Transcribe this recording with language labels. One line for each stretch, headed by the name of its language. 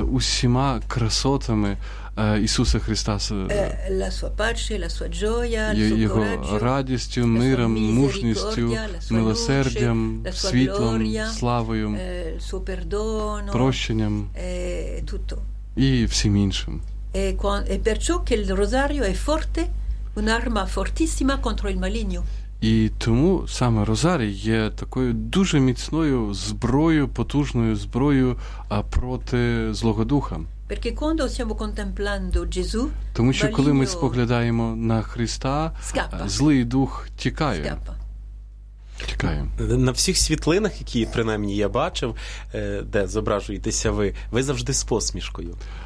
Ukrainian: Усіма красотами Ісуса Христа,
Italian: la sua pace, la sua gioя, il suo coraggio,
Ukrainian: його радістю, миром, мужністю, милосердям, світлом, славою,
Italian: il suo perdono,
Ukrainian: прощенням,
Italian: tutto.
Ukrainian: І всім іншим.
Italian: E perciò che il rosario è forte, un'arma fortissima contro il maligno.
Ukrainian: І тому саме розарій є такою дуже міцною зброєю, потужною зброєю проти злого духа.
Italian: Perché quando stiamo contemplando Gesù,
Ukrainian: тому що коли ми споглядаємо на Христа, злий дух тікає. Тікає. На всіх світлинах, які принаймні я бачив, де зображуєтеся ви завжди з посмішкою.